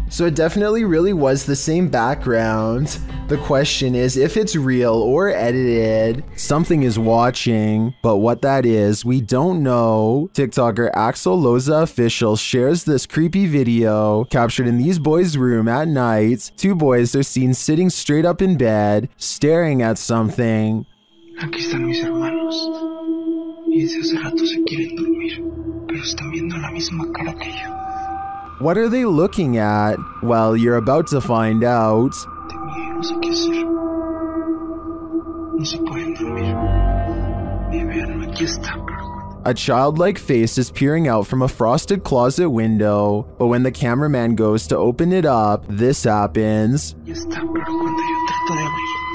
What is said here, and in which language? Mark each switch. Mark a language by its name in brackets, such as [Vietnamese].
[English] So it definitely really was the same background. The question is if it's real or edited. Something is watching, but what that is, we don't know. TikToker Axel Loza Official shares this creepy video captured in these boys' room at night. Two boys are seen sitting straight up in bed, staring at something. [Spanish] Aquí están mis hermanos, y desde hace rato se quieren dormir, pero están viendo la misma cara que yo. [English] What are they looking at? Well, you're about to find out. [Spanish] Tengo, no sé qué hacer. No se pueden dormir. Ni verlo, aquí está. [English] A childlike face is peering out from a frosted closet window, but when the cameraman goes to open it up, this happens. [Spanish] Ya está, pero cuando yo trato de abrir.